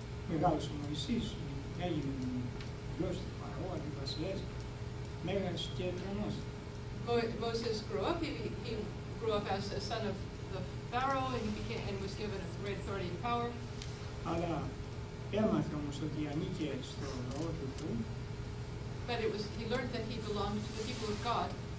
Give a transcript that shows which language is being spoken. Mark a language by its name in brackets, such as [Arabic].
[Greek] Μεγάλος ο Μωυσής, έγινε γιος του Φαραώ, αντιβασιλές, μέγας και τρανός. [English] Moses grew up. He grew up as a son of the Pharaoh, and was given a great authority and power. [Greek] Αλλά έμαθε όμως ότι ανήκε στο λαό του Θεού. [English] But he learned that he belonged to the people of God.